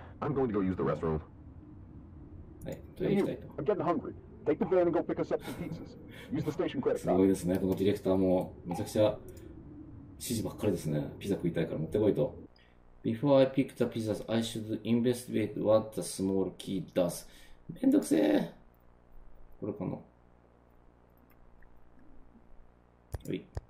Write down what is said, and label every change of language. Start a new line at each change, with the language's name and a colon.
English: I'm going to go use the restroom.
Japanese: はい、行きたいと。
English: I'm getting hungry. Take the van and go pick us up some pizzas. Use the station credit card.
Japanese: すごいですね。このディレクターもめちゃくちゃ指示ばっかりですね。ピザ食いたいから持ってこいと。
English: Before I pick the pizzas, I should investigate what the small key does.
Japanese: めんどくせえ。これかな。はい。